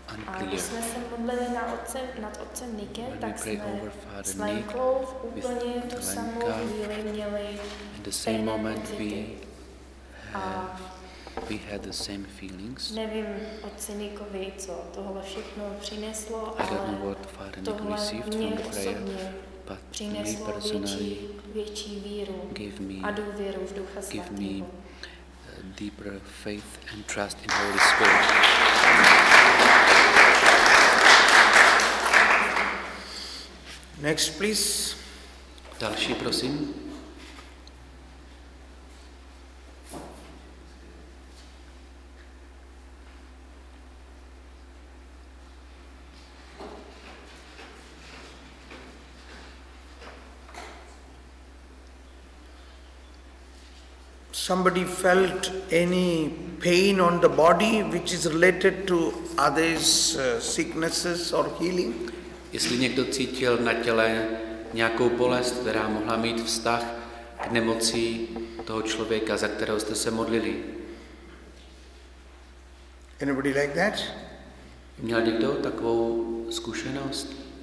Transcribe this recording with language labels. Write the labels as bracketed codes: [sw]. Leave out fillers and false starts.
[cs] a když jsme se modlili na otce, nad otcem Nikem, tak jsme s Lenkou úplně tu samou chvíli měli pejné. [en] We had the same feelings. [cs] Nevím otci Nikovi, co tohle všechno přineslo, [en] I don't know what Father Nick received from the prayer, but me personally [cs] větší víru [en] gave me, [cs] a důvěru v Ducha Svatého. [en] Gave me deeper faith and trust in Holy Spirit. Next, please. [cs] Další, prosím. [en] Somebody felt any pain on the body which is related to others sicknesses or healing? [cs] Jestli někdo cítil na těle nějakou bolest, která mohla mít vztah k nemoci toho člověka, za kterého jste se modlili. [en] Anybody like that? [cs] Měl někdo takovou zkušenost?